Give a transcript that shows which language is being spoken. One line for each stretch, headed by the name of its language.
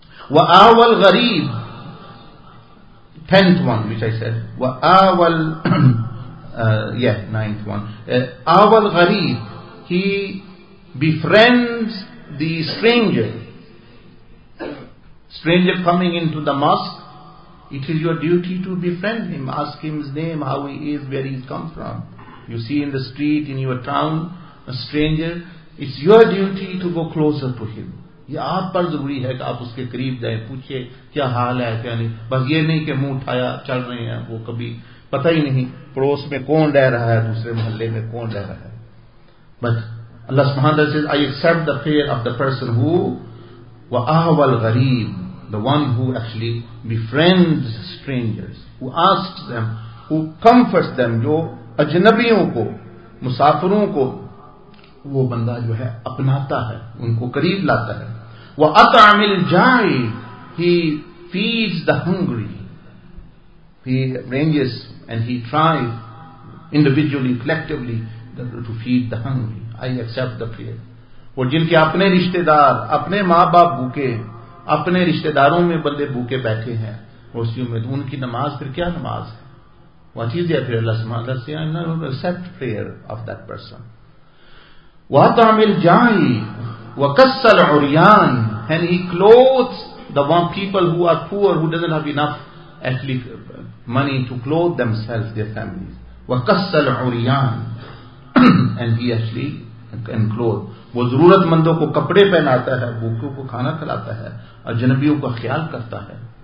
Arabic: وَآوَ الْغَرِيبِ,
English: 10th one which I said,
Arabic: وَآوَ آوَ الْغَرِيبِ,
English: he befriends the stranger coming into the mosque. It is your duty to befriend him, ask him his name, how he is, where he comes from. You see in the street, in your town, a stranger, it's your duty to go closer to him.
Urdu: یہ آپ پر ضروری ہے کہ آپ اس کے قریب جائیں, پوچھے کیا حال ہے کیا نہیں. بس یہ نہیں کہ منہ اٹھایا چل رہے ہیں, وہ کبھی پتہ ہی نہیں پڑوس میں کون رہ رہا ہے, دوسرے محلے میں کون رہ رہا ہے. بس اللہ سبحانہ وتعالیٰ
English: says, I accept the prayer of the person who
Arabic: وَآوَ الْغَرِيبِ,
English: the one who actually befriends strangers, who asks them, who comforts them,
Urdu: جو اجنبیوں کو, مسافروں کو وہ بندہ جو ہے اپناتا ہے, ان کو قریب لاتا ہے.
Arabic: وَأَطْعَمِ الْجَائِعِ,
English: he feeds the hungry, he arranges and he tries individually, collectively to feed the hungry. I accept the prayer.
Urdu: اور جن کے اپنے رشتہ دار, اپنے ماں باپ بھوکے, اپنے رشتہ داروں میں بندے بھوکے بیٹھے ہیں, اسی امید ان کی نماز پھر کیا نماز ہے.
English: What is their prayer? Allah says, I accept prayer of that person.
Arabic: وَأَطْعَمِ الْجَائِعِ وَكَسَّ الْعُرْيَانِ,
English: and he clothes the one people who are poor, who doesn't have enough actually money to clothe themselves, their families.
Arabic: وَكَسَّ الْعُرْيَانِ,
English: and he actually can clothe.
Urdu: وہ ضرورت مندوں کو کپڑے پہناتا ہے, بھوکوں کو کھانا کھلاتا ہے, اور اجنبیوں کا خیال کرتا ہے.